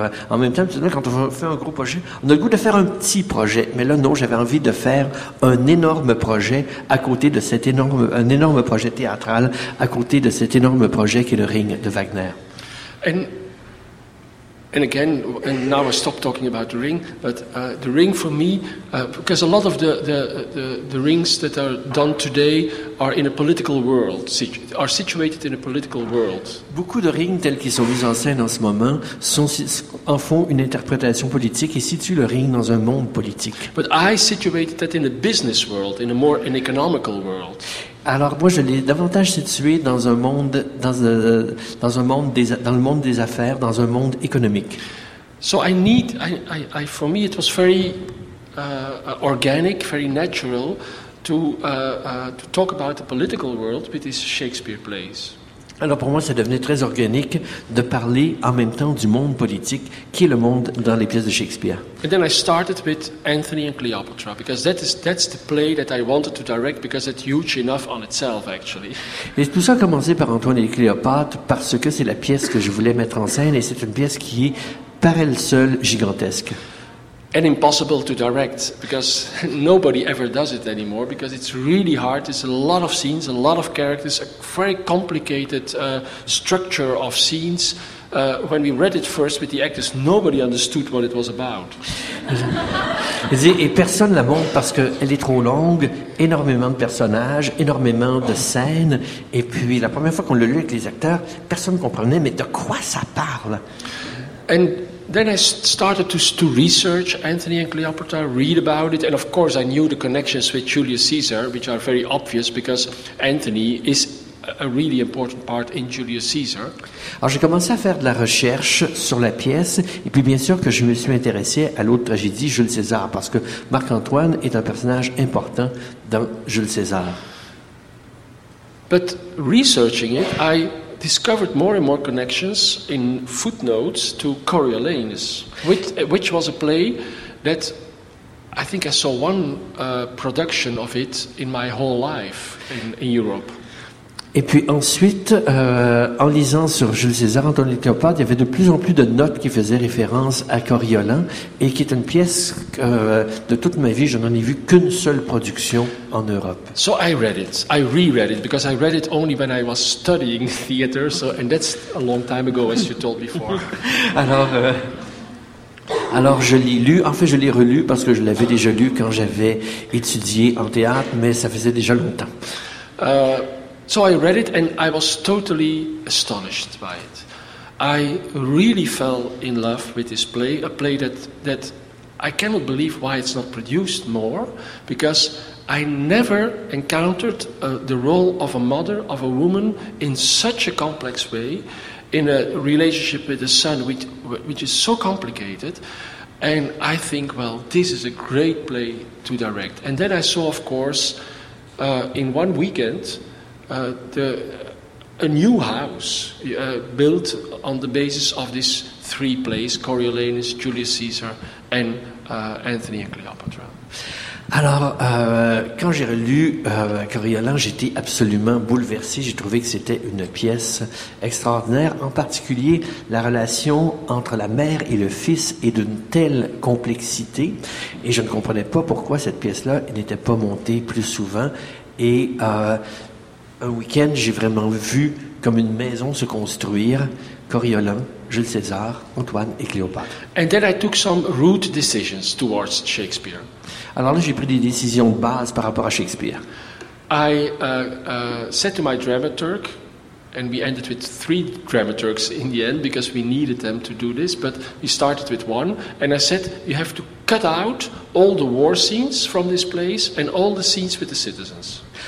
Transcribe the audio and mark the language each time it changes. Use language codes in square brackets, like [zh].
[fr] En même temps, quand on fait un gros projet, on a le goût de faire un petit projet. Mais là, non, j'avais envie de faire un énorme projet à côté de cet énorme, un énorme projet théâtral à côté de cet énorme projet qui est le Ring de Wagner. [en] And now I stop talking about the Ring, but the Ring for me, because a lot of the rings that are done today are in a political world, are situated in a political world. [fr] Beaucoup de rings tels qu'ils sont mis en scène en ce moment sont en font une interprétation politique et situent le ring dans un monde politique. [en] But I situated that in a business world, in a more an economical world. [fr] Alors moi, je l'ai davantage situé dans un monde, dans le monde des affaires, dans un monde économique. [en] So I need, I for me, it was very organic, very natural to talk about the political world with these Shakespeare plays. [fr] Alors pour moi, ça devenait très organique de parler en même temps du monde politique, qui est le monde dans les pièces de Shakespeare. [en] And then I started with Anthony and Cleopatra because that's the play that I wanted to direct because it's huge enough on itself actually. [fr] Et tout ça a commencé par Antoine et Cléopâtre parce que c'est la pièce que je voulais mettre en scène et c'est une pièce qui est par elle seule gigantesque. [en] And impossible to direct because nobody ever does it anymore because it's really hard. It's a lot of scenes, a lot of characters, a very complicated structure of scenes. When we read it first with the actors, nobody understood what it was about. [fr] Et personne la montre parce qu'elle est trop longue, énormément de personnages, énormément de scènes. Et puis la première fois qu'on l'a lu avec les acteurs, personne ne comprenait, mais de quoi ça parle? [en] Then I started to research Anthony and Cleopatra, read about it, and of course I knew the connections with Julius Caesar, which are very obvious because Anthony is a really important part in Julius Caesar. [fr] Alors j'ai commencé à faire de la recherche sur la pièce, et puis bien sûr que je me suis intéressé à l'autre tragédie, Jules César, parce que Marc-Antoine est un personnage important dans Jules César. [en] But researching it, I discovered more and more connections in footnotes to Coriolanus, which was a play that I think I saw one production of it in my whole life in Europe. [fr] Et puis ensuite, en lisant sur Jules César, Antoine et Cléopâtre, il y avait de plus en plus de notes qui faisaient référence à Coriolan, et qui est une pièce de toute ma vie, je n'en ai vu qu'une seule production en Europe. [en] So I read it, I reread it, because I read it only when I was studying theater, so, and that's a long time ago, as you told before. [fr] Alors je l'ai lu, en fait je l'ai relu, parce que je l'avais déjà lu quand j'avais étudié en théâtre, mais ça faisait déjà longtemps. [en] So I read it and I was totally astonished by it. I really fell in love with this play, a play that I cannot believe why it's not produced more, because I never encountered the role of a mother, of a woman, in such a complex way, in a relationship with a son which is so complicated. And I think, well, this is a great play to direct. And then I saw, of course, in one weekend, a new house built on the basis of these three plays, Coriolanus, Julius Caesar and Antony and Cleopatra. [fr] Alors, quand j'ai relu Coriolan, j'étais absolument bouleversé. J'ai trouvé que c'était une pièce extraordinaire, en particulier la relation entre la mère et le fils est d'une telle complexité, et je ne comprenais pas pourquoi cette pièce-là n'était pas montée plus souvent. Et un week-end, j'ai vraiment vu comme une maison se construire, Coriolan, Jules César, Antoine et Cléopâtre. [en] And then I took some root decisions towards Shakespeare. [fr] Alors là, j'ai pris des décisions de base par rapport à Shakespeare. [en] I said to my dramaturg, and we ended with three dramaturgs in the end, because we needed them to do this, but we started with one, and I said, you have to cut out all the war scenes from this place and all the scenes with the citizens.